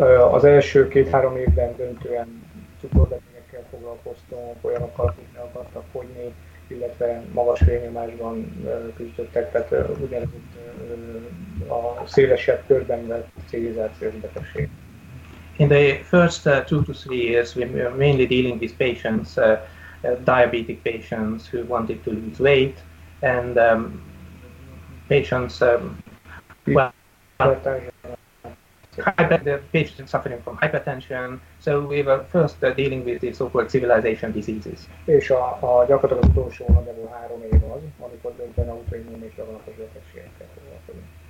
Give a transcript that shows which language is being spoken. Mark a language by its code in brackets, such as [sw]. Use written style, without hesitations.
[hu] Az első két-három évben döntően cukorbetegekkel foglalkoztunk, olyanokkal, akik ne akartak fogyni, illetve magas vérnyomásban küzdöttek, tehát ugyanúgy a szélesebb körben vett civilizációs betegség. [en] In the first 2 to 3 years, we were mainly dealing with patients, diabetic patients who wanted to lose weight, and patients, the patient suffering from hypertension, so we were first dealing with the so-called civilization diseases. [hu] És a gyakorlatilag az utolsó nagyobb 3 év az, amikor döntően autoimmune és javaslatos betegségekkel foglalkozunk.